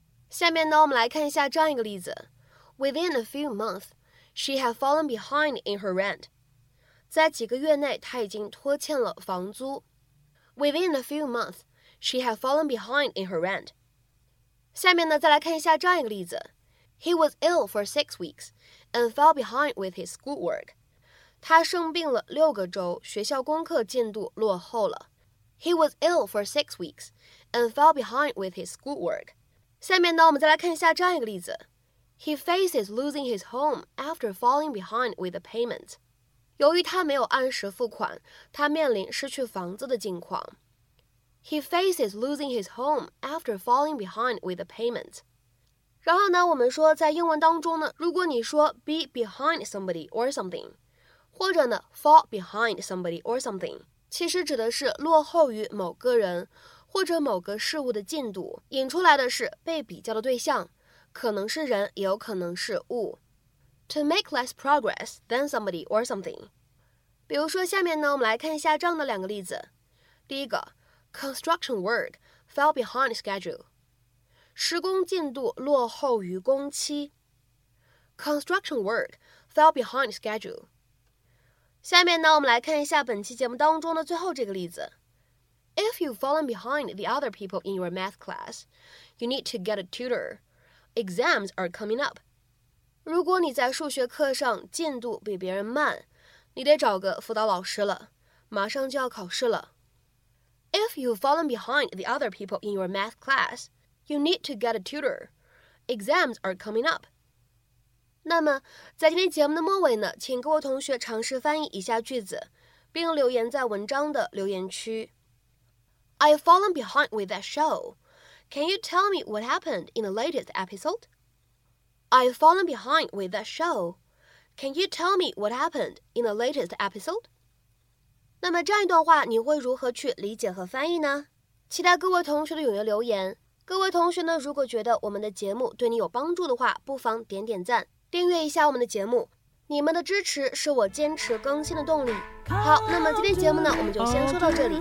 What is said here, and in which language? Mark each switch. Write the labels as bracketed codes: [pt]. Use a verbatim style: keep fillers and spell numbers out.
[zh] 下面呢，我们来看一下这样一个例子。 [en] Within a few months, she had fallen behind in her rent. [zh] 在几个月内，她已经拖欠了房租。 [en] Within a few months, she had fallen behind in her rent. [zh] 下面呢，再来看一下这样一个例子。 [en] He was ill for six weeks and fell behind with his schoolwork. [zh] 他生病了六个周，学校功课进度落后了。 [en] He was ill for six weeks and fell behind with his schoolwork. [zh] 下面呢，我们再来看一下这样一个例子。 [en] He faces losing his home after falling behind with the payment. [zh] 由于他没有按时付款，他面临失去房子的境况。 [en] He faces losing his home after falling behind with the payment. [zh] 然后呢，我们说在英文当中呢，如果你说 [en] be behind somebody or something， [zh] 或者呢 [en] fall behind somebody or something， [zh] 其实指的是落后于某个人或者某个事物的进度，引出来的是被比较的对象，可能是人，也有可能是物。 [en] To make less progress than somebody or something. [zh] 比如说下面呢，我们来看一下这样的两个例子。第一个 [en] construction work fell behind schedule. [zh] 施工进度落后于工期。 [en] Construction work fell behind schedule. [zh] 下面呢，我们来看一下本期节目当中的最后这个例子。 [en] If you've fallen behind the other people in your math class, you need to get a tutor. Exams are coming up. [zh] 如果你在数学课上进度比别人慢，你得找个辅导老师了，马上就要考试了。 [en] If you've fallen behind the other people in your math class, you need to get a tutor. Exams are coming up. [zh] 那么，在今天节目的末尾呢，请各位同学尝试翻译以下句子，并留言在文章的留言区。 [en] I've fallen behind with that show. Can you tell me what happened in the latest episode? I've fallen behind with that show. Can you tell me what happened in the latest episode? [zh] 那么这样一段话你会如何去理解和翻译呢？期待各位同学的踊跃留言。各位同学呢，如果觉得我们的节目对你有帮助的话，不妨点点赞，订阅一下我们的节目。你们的支持是我坚持更新的动力。好，那么今天节目呢，我们就先说到这里。